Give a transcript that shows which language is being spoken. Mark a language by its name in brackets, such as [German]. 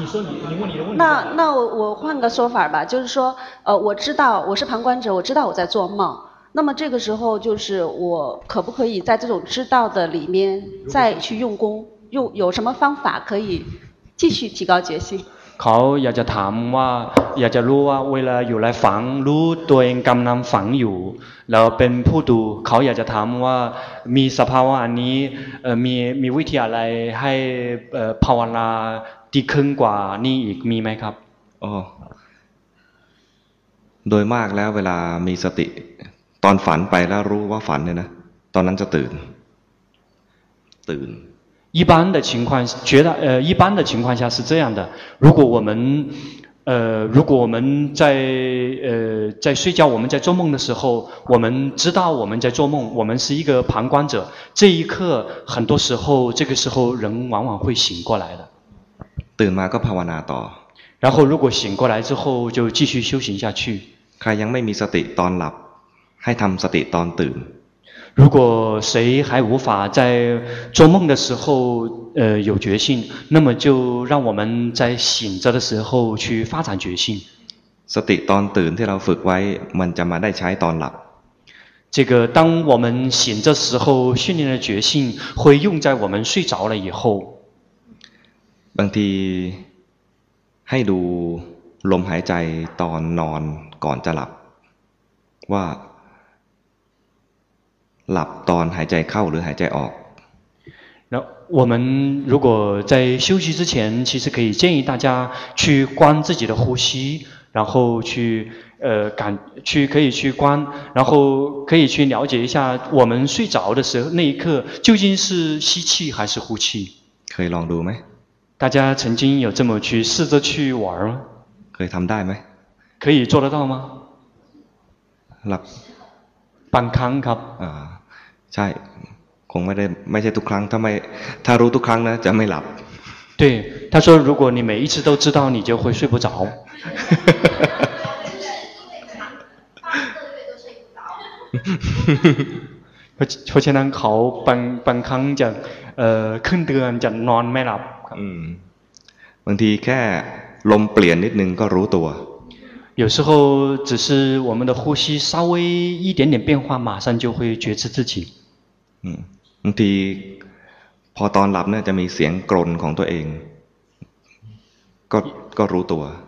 [Chinese] 你问你的问题那我换个说法吧就是说我知道我是旁观者我知道我在做梦那么这个时候就是我可不可以在这种知道的里面再去用功用有什么方法可以继续提高决心 [Thai] เขาอยากจะถามว่าอยากจะรู้ว่าเวลาอยู่ในฝันรู้ตัวเองกำลังฝันอยู่แล้วเป็นผู้ดูเขาอยากจะถามว่ามีสภาวะอันนี้มีวิธีอะไรให้ภาวนาดีขึ้นกว่านี้อีกมีไหมครับ โดยมากแล้วเวลามีสติตอนฝันไปแล้วรู้ว่าฝันเนี่ยนะตอนนั้นจะตื่น [Chinese] 一般的情况觉得一般的情况下是这样的如果我们如果我们在在睡觉我们在做梦的时候我们知道我们在做梦我们是一个旁观者这一刻很多时候这个时候人往往会醒过来的 [Thai] ตื่นมาก็ภาวนาต่อ [Chinese] 然后如果醒过来之后就继续修行下去 [Thai] ใครยังไม่มีสติตอนหลับให้ทำสติตอนตื่น [Chinese] 如果谁还无法在做梦的时候有觉性，那么就让我们在醒着的时候去发展觉性。 [Thai] สติตอนตื่นที่เราฝึกไว้มันจะมาได้ใช้ตอนหลับ [Chinese] 这个当我们醒着时候训练的觉性会用在我们睡着了以后。 [Thai] บางทีให้ดูลมหายใจตอนนอนก่อนจะหลับว่าหลับตอนหายใจเข้าหรือหายใจออก [Chinese] 那我们如果在休息之前其实可以建议大家去观自己的呼吸然后去感去可以去观然后可以去了解一下我们睡着的时候那一刻究竟是吸气还是呼气可以 [Thai] ลองดูไหม [Chinese] 大家曾经有这么去试着去玩吗可以 [Thai] ทำได้ไหม [Chinese] 可以做得到吗 [Thai] หลับ บางครั้งครับ ใช่คงไม่ได้ไม่ใช่ทุกครั้งถ้ารู้ทุกครั้งนะจะไม่หลับ [Chinese] 对他说如果你每一次都知道你就会睡不着 [Thai] เพราะฉะนั้นเขาบางครั้งจะขึ้นเตือนจะนอนไม่หลับ บางทีแค่ลมเปลี่ยนนิดนึงก็รู้ตัว [Chinese] 有时候只是我们的呼吸稍微一点点变化马上就会觉知自己 [Thai] บางทีพอตอนหลับเนี่ยจะมีเสียงกรนของตัวเองก็รู้ตัว